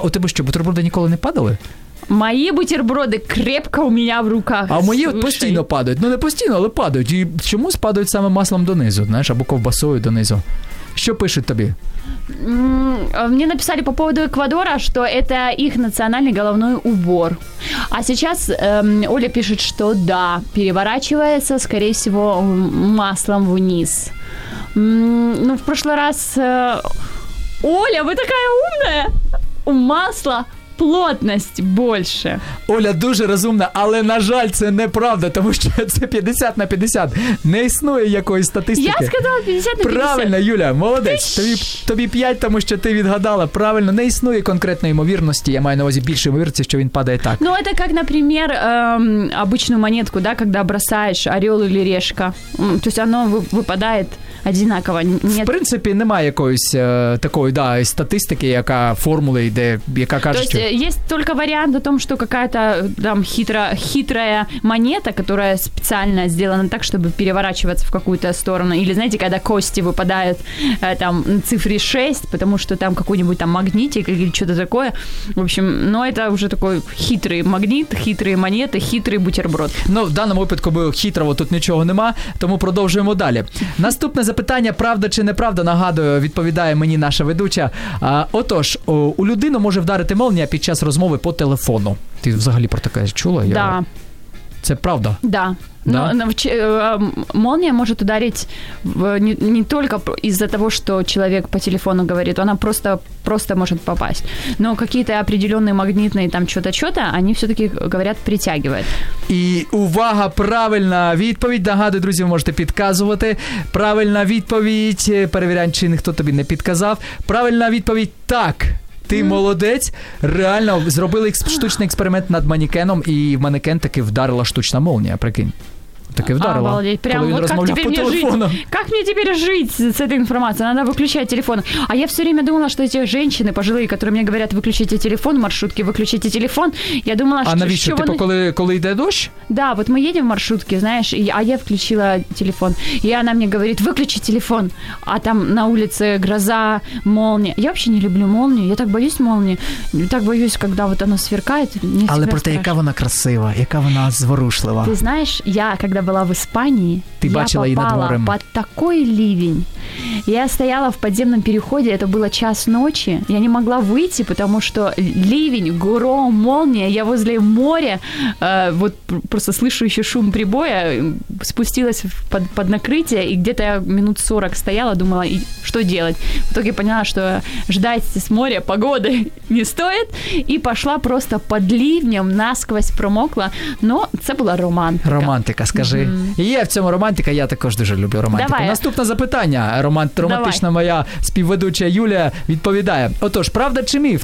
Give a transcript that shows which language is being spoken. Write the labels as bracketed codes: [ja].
[uk] У тебе що, бутерброди ніколи не падали? Мої бутерброди крепко у мене в руках. А мої от постійно падають. Ну, не постійно, але падають. І чому спадають саме маслом донизу, знаєш, або ковбасою донизу? Що пишуть тобі? [ru] Мне написали по поводу Эквадора, что это их национальный головной убор. А сейчас Оля пишет, что да, переворачивается, скорее всего, маслом вниз. Ну, в прошлый раз... Оля, вы такая умная! У масла плотность больше. [uk] Оля дуже розумна, але, на жаль, це неправда, тому що це 50 на 50. Не існує якоїсь статистики. Я сказала 50 на 50. Правильно, Юля, молодець. Тобі 5, тому що ти відгадала. Правильно, не існує конкретної ймовірності. Я маю на увазі більшої ймовірності, що він падає так. Ну, це як, наприклад, [ru] обычну монетку, да, [uk] коли бросаєш [ru] орел или решка. [uk] Тобто воно випадає одинаково. [ru] Нет. [uk] В принципі, немає якоїсь такої, да, статистики, яка формула йде, яка каже, що... [ru] Есть только вариант о том, что какая-то там хитрая монета, которая специально сделана так, чтобы переворачиваться в какую-то сторону. Или, знаете, когда кости выпадают там на цифре 6, потому что там какой-нибудь там магнитик или что-то такое. В общем, ну, это уже такой хитрый магнит, хитрые монеты, хитрый бутерброд. Ну, в данном опытку бы хитрого тут ничего нема, тому продолжаем далее. [uk] Наступное запитание, правда чи неправда, нагадую, відповідає мені наша ведуча. Отож, у людину може вдарити мол під час розмови по телефону. Ти взагалі про таке чула? [ru] Да. [uk] Це правда? [ru] Да. Да? Молния может ударить не только из-за того, что человек по телефону говорит, она просто может попасть. Но какие-то определенные магнитные там что-то, они все-таки говорят, притягивают. [uk] И увага, правильна відповідь. Догадую, друзі, ви можете підказувати. Правильна відповідь. Перевіряй, чи ніхто тобі не підказав. Правильна відповідь – так. Ти молодець, реально зробили штучний експеримент над манекеном, і в манекен таки вдарила штучна молнія, прикинь. Таке вдарило. [ru] Обалдеть. Прямо [uk] коли він розмовляв по телефону. [ru] Как мне теперь жить с этой информацией? Надо выключать телефон. А я все время думала, что эти женщины пожилые, которые мне говорят, выключите телефон, маршрутки, выключите телефон. Я думала, что... [uk] А навіщо? [ru] Что типа, вон... [uk] коли йде дощ? [ru] Да, вот мы едем в маршрутке, знаешь, а я включила телефон. И она мне говорит, выключи телефон. А там на улице гроза, молния. Я вообще не люблю молнию. Я так боюсь молнии. Так боюсь, когда вот она сверкает. [uk] Але про те, яка вона красива, яка вона зворушлива. [ru] Ты знаешь, я, когда была в Испании, [uk] ты бачила її над морем. [ru] Под такой ливень. Я стояла в подземном переходе, это было час ночи. Я не могла выйти, потому что ливень, гром, молния. Я возле моря, вот просто слышу еще шум прибоя, спустилась под накрытие, и где-то я минут 40 стояла, думала, что делать. В итоге поняла, что ждать с моря погоды не стоит, и пошла просто под ливнем, насквозь промокла. [uk] Но це була романтика. Романтика, скажи. Mm-hmm. Є в цьому романтика, я також дуже люблю романтику. Давай. Наступне запитання. Романтична Давай. Моя співведуча Юлія відповідає. Отож, правда чи міф?